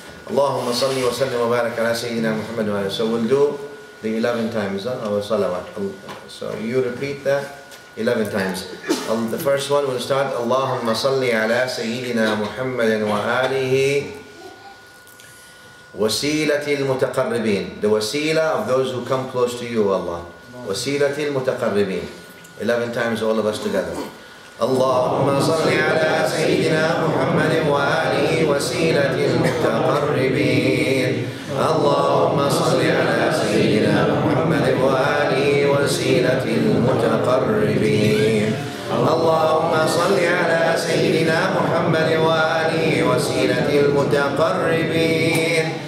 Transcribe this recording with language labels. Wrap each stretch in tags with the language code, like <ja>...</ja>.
<ar>اللهم صل وسلم وبارك على سيدنا محمد وعلى آله.</ar> <en>So we'll do the 11 times our salawat. So you repeat that 11 times. The first one will start</en> <ar>اللهم صل على سيدنا محمد وآله وسيلة المتقربين.</ar> <en>The wasila of those who come close to you, Allah.</en> <ar>وَسِيلَةِ الْمُتَقَرِّبِينَ</ar> <en>11 times all of us together.</en> <ar>اللهم صل على سيدنا محمد وآله وسيلة المتقربين. اللهم صل على سيدنا محمد وآله وسيلة المتقربين. اللهم صل على سيدنا محمد وآله وسيلة المتقربين.</ar>